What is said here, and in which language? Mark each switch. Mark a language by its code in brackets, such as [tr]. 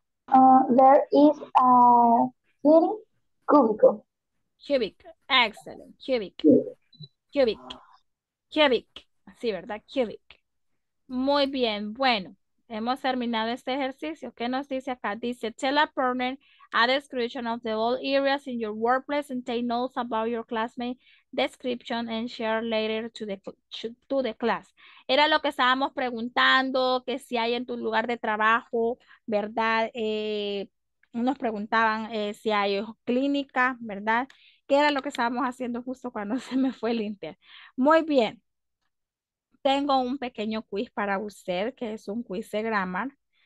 [en] There is a cubicle. Cubic. Excellent. Cubic. [es] Cubic. Cubic. Sí, ¿verdad? Cubic. Muy bien, bueno, Hemos terminado este ejercicio. ¿Qué nos dice acá? Dice, [en] tell a partner a description of the all areas in your workplace and take notes about your classmate description and share later to the class. [es] Era lo que estábamos preguntando, que si hay en tu lugar de trabajo, ¿verdad? Nos preguntaban si hay clínica, ¿verdad? ¿Qué era lo que estábamos haciendo justo cuando se me fue el inter? Muy bien. Tengo un pequeño quiz para usted, que es un quiz de grammar.